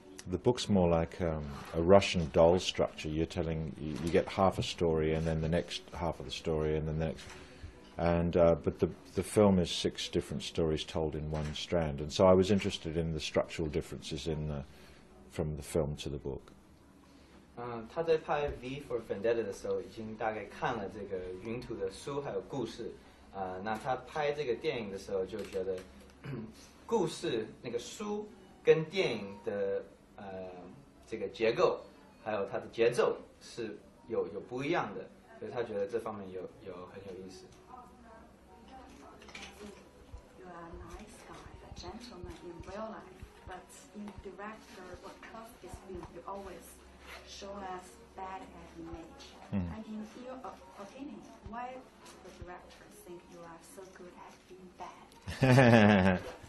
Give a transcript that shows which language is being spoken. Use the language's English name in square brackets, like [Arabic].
[English] the book's more like a Russian doll structure. You're telling... You get half a story and then the next half of the story and then the next... And, but the film is six different stories told in one strand. And so I was interested in the structural differences in the, from the film to the book. [Chinese] 他在拍 V for Vendetta 的时候，已经大概看了这个云图的书还有故事。那他拍这个电影的时候，就觉得故事那个书跟电影的这个结构，还有它的节奏是有不一样的，所以他觉得这方面有很有意思。 [English] You are a nice guy, a gentleman in real life, but in director or cast his film, you always show us bad image. Mm. And in your opinion, why the director think you are so good at being bad?